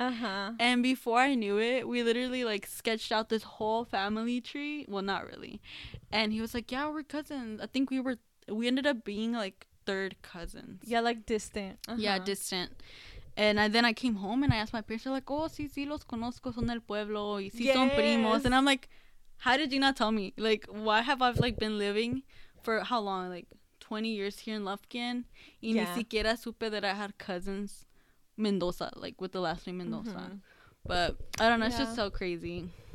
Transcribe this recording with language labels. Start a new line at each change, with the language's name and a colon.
English: Uh-huh. And before I knew it, we literally, like, sketched out this whole family tree. Well, not really. And he was like, yeah, we're cousins. I think we ended up being, like, third cousins. Yeah, like, distant. Uh-huh. Yeah, distant. And then I came home and I asked my parents.
Spanish: They're like, oh, sí, sí, los conozco, son del pueblo. Y sí, son primos.
English: And I'm like, how did you not tell me? Like, why have I, like, been living for how long? Like, 20 years here in Lufkin. Y ni siquiera supe that I had cousins Mendoza, like, with the last name Mendoza. Mm-hmm. But I don't know. Yeah. It's just so crazy.